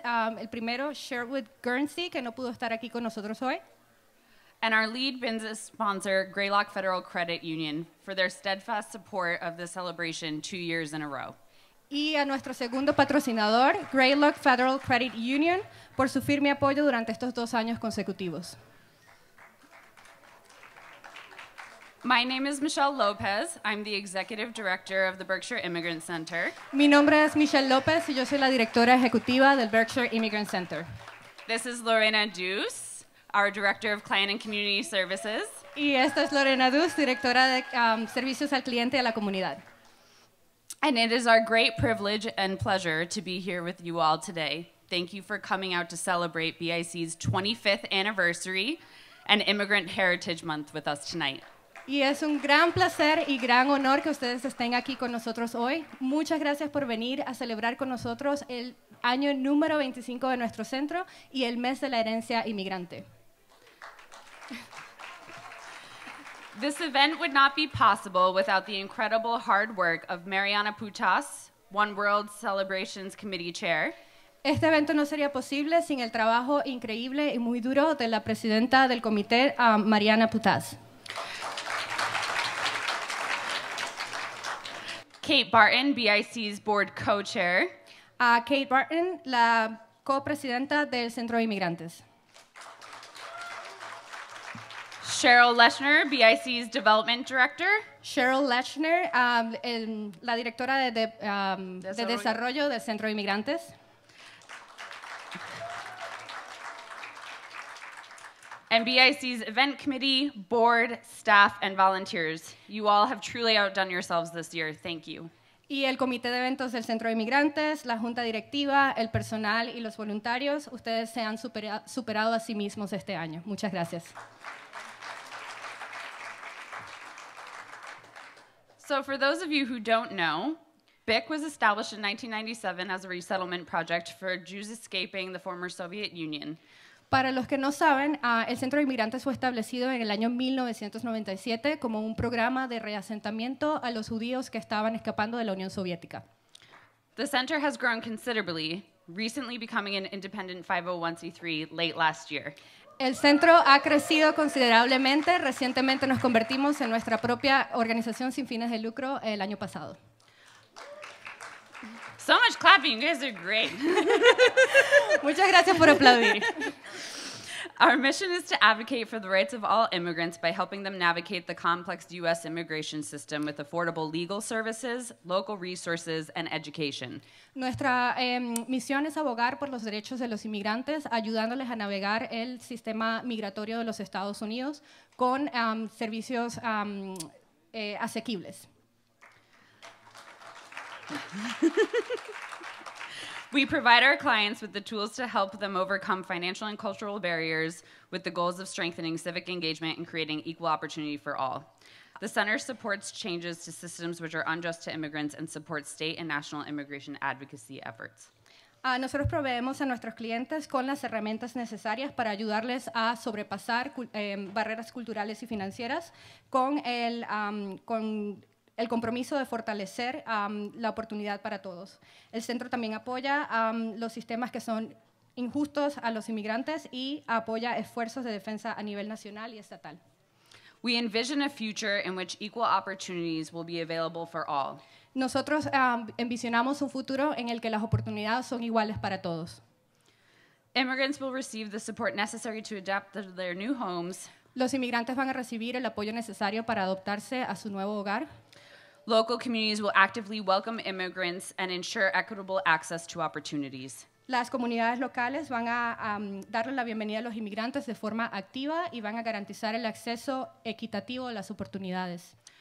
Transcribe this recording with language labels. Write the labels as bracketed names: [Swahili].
[Spanish] El primero, Sherwood Guernsey, que no pudo estar aquí con nosotros hoy. [English] And our lead business sponsor, Greylock Federal Credit Union, for their steadfast support of the celebration 2 years in a row. [Spanish] Y a nuestro segundo patrocinador, Greylock Federal Credit Union, por su firme apoyo durante estos 2 años consecutivos. [English] My name is Michelle Lopez. I'm the executive director of the Berkshire Immigrant Center. [Spanish] Mi nombre es Michelle Lopez y yo soy la directora ejecutiva del Berkshire Immigrant Center. [English] This is Lorena Deuce, our director of client and community services. [Spanish] Y esta es Lorena Deuce, directora de servicios al cliente de la comunidad. [English] And it is our great privilege and pleasure to be here with you all today. Thank you for coming out to celebrate BIC's 25th anniversary and Immigrant Heritage Month with us tonight. [Spanish] Y es un gran placer y gran honor que ustedes estén aquí con nosotros hoy. Muchas gracias por venir a celebrar con nosotros el año número 25 de nuestro centro y el mes de la herencia inmigrante. [English] This event would not be possible without the incredible hard work of Mariana Putas, One World Celebrations Committee Chair. [Spanish] Este evento no sería posible sin el trabajo increíble y muy duro de la presidenta del comité, Mariana Putas. [English] Kate Barton, BIC's board co-chair. [Spanish] Kate Barton, la co-presidenta del Centro de Inmigrantes. [English] Cheryl Leshner, BIC's development director. [Spanish] Cheryl Leshner, la directora de desarrollo del Centro de Inmigrantes. [English] And BIC's event committee, board, staff, and volunteers. You all have truly outdone yourselves this year. Thank you. [Spanish] Y el comité de eventos del Centro de Inmigrantes, la junta directiva, el personal y los voluntarios, ustedes se han superado a sí mismos este año. Muchas gracias. [English] So for those of you who don't know, BIC was established in 1997 as a resettlement project for Jews escaping the former Soviet Union. [Spanish] Para los que no saben, el Centro de Inmigrantes fue establecido en el año 1997 como un programa de reasentamiento a los judíos que estaban escapando de la Unión Soviética. [English] The center has grown considerably, recently becoming an independent 501c3 late last year. [Spanish] El centro ha crecido considerablemente. Recientemente nos convertimos en nuestra propia organización sin fines de lucro el año pasado. [English] So much clapping, you guys are great. [Spanish] Muchas gracias por aplaudir. [English] Our mission is to advocate for the rights of all immigrants by helping them navigate the complex U.S. immigration system with affordable legal services, local resources, and education. [Spanish] Nuestra misión es abogar por los derechos de los inmigrantes, ayudándoles a navegar el sistema migratorio de los Estados Unidos con servicios asequibles. [English] We provide our clients with the tools to help them overcome financial and cultural barriers with the goals of strengthening civic engagement and creating equal opportunity for all. The center supports changes to systems which are unjust to immigrants and supports state and national immigration advocacy efforts. [Spanish] Nosotros proveemos a nuestros clientes con las herramientas necesarias para ayudarles a sobrepasar barreras culturales y financieras con el el compromiso de fortalecer la oportunidad para todos. El centro también apoya los sistemas que son injustos a los inmigrantes y apoya esfuerzos de defensa a nivel nacional y estatal. [English] We envision a future in which equal opportunities will be available for all. [Spanish] Nosotros envisionamos un futuro en el que las oportunidades son iguales para todos. [English] Immigrants will receive the support necessary to adapt to their new homes. [Spanish] Los inmigrantes van a recibir el apoyo necesario para adaptarse a su nuevo hogar. [English] Local communities will actively welcome immigrants and ensure equitable access to opportunities. [Spanish] Las comunidades locales van a darle la bienvenida a los inmigrantes de forma activa y van a garantizar el acceso equitativo a las oportunidades.